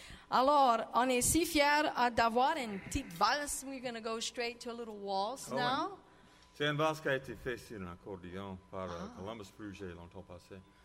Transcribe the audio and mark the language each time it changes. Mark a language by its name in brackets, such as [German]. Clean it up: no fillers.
[French] Alors, on est si fiers d'avoir une petite valse. [English] We're going to go straight to a little waltz now. [French] C'est une valse qui a été faite sur un accordéon par Columbus Bruget longtemps passé.